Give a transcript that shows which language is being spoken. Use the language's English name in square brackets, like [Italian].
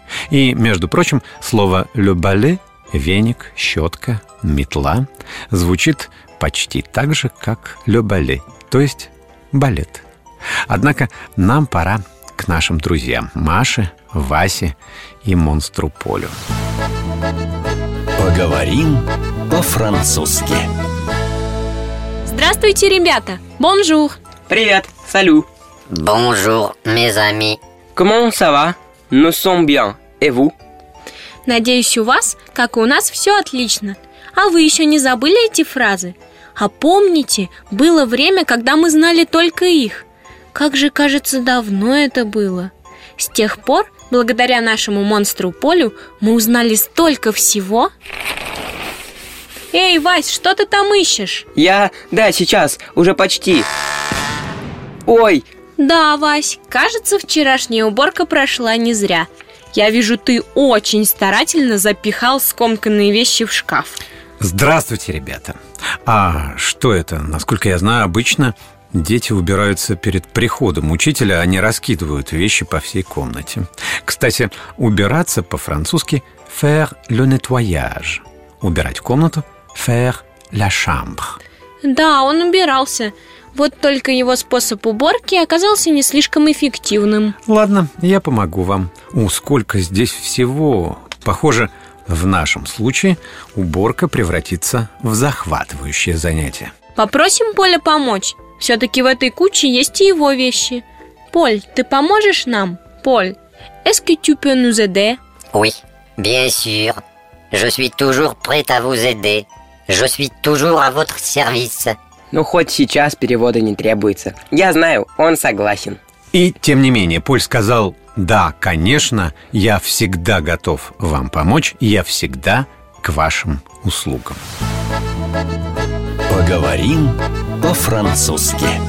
[Russian] И, между прочим, слово «le balai» – веник, щетка, метла – звучит почти так же, как «le balai», то есть балет. Однако нам пора к нашим друзьям – Маше, Васе и Монстру Полю. Поговорим по-французски. Здравствуйте, ребята! Бонжур! Привет! Салю! [French] Бонжур, mes amis! Comment ça va? Nous sommes bien! Et vous? [Russian] Надеюсь, у вас, как и у нас, все отлично. А вы еще не забыли эти фразы? А помните, было время, когда мы знали только их. Как же, кажется, давно это было. С тех пор, благодаря нашему монстру Полю, мы узнали столько всего. Эй, Вась, что ты там ищешь? Я... Да, сейчас, уже почти. Ой! Да, Вась, кажется, вчерашняя уборка прошла не зря. Я вижу, ты очень старательно запихал скомканные вещи в шкаф. Здравствуйте, ребята. А что это? Насколько я знаю, обычно дети убираются перед приходом учителя, а не раскидывают вещи по всей комнате. Кстати, убираться по-французски [French] «faire le nettoyage». [Russian] Убирать комнату [French] «faire la chambre». [Russian] Да, он убирался. Вот только его способ уборки оказался не слишком эффективным. Ладно, я помогу вам. О, сколько здесь всего. Похоже, в нашем случае уборка превратится в захватывающее занятие. Попросим Поля помочь. Все-таки в этой куче есть и его вещи. Поль, ты поможешь нам? [French] Поль, est-ce que tu peux nous aider? Oui, bien sûr. Je suis toujours prêt à vous aider. Je suis toujours à votre service. [Russian] Ну, хоть сейчас перевода не требуется. Я знаю, он согласен. И тем не менее, Поль сказал: «Да, конечно, я всегда готов вам помочь, я всегда к вашим услугам». Поговорим по-французски.